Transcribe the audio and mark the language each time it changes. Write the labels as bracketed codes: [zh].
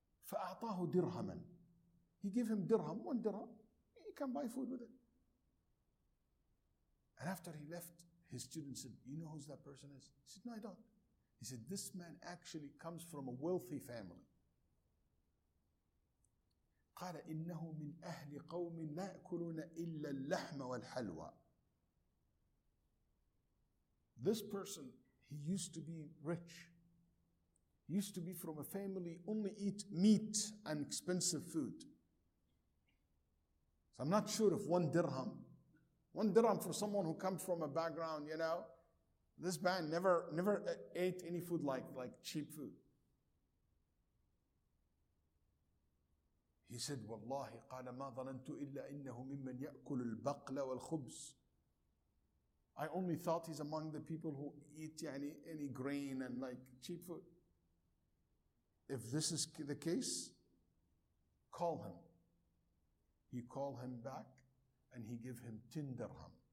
[ar] فَأَعْطَاهُ دِرْهَمًا. [en] He gave him dirham, one dirham. He can buy food with it. And after he left, his student said, you know who that person is? He said, no, I don't. He said, this man actually comes from a wealthy family. [ar] قال إنه من أهل قوم لا يأكلون إلا اللحم والحلوى. [en] This person, he used to be rich. He used to be from a family only eat meat and expensive food. So I'm not sure if one dirham for someone who comes from a background, you know, this man never ate any food like cheap food. He said, [ar] والله قال ما ظننت إلا إنه ممن يأكل البقل والخبز. [en] I only thought he's among the people who eat any grain and like cheap food. If this is the case, call him. He called him back and he gave him 10 dirham.